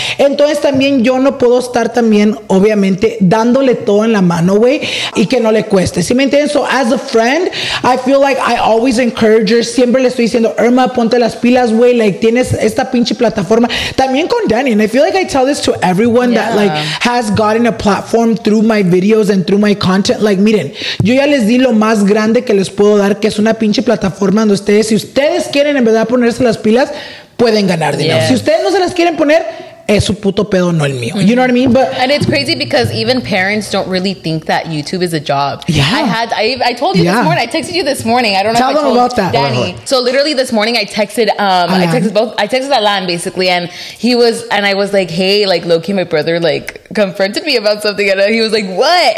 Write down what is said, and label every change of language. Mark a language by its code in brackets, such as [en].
[es] Entonces también yo no puedo estar también, obviamente, dándole todo en la mano, güey, y que no le cueste. ¿Sí me entienden? [en] So as a friend, I feel like I always encourage her. [es] Siempre le estoy diciendo, Irma, ponte las pilas, güey. Like, tienes esta pinche plataforma. También con Danny. [en] And I feel like I tell this to everyone that, like, has gotten a platform through my videos and through my content. [es] Like, miren, yo ya les di lo más grande que les puedo dar, que es una pinche plataforma donde ustedes, si ustedes quieren en verdad ponerse las pilas, pueden ganar dinero. Yes. Si ustedes no se las quieren poner, es su puto pedo, no el mío. [en] You know what I mean? But, and it's crazy because even parents don't really think that YouTube is a job. Yeah. I told you this morning. I texted you this morning. I don't know tell if them I told about that. Danny. Wait, wait. So literally this morning I texted Alan basically, and I was like, hey, like, low-key, my brother, like, confronted me about something, and he was like, what?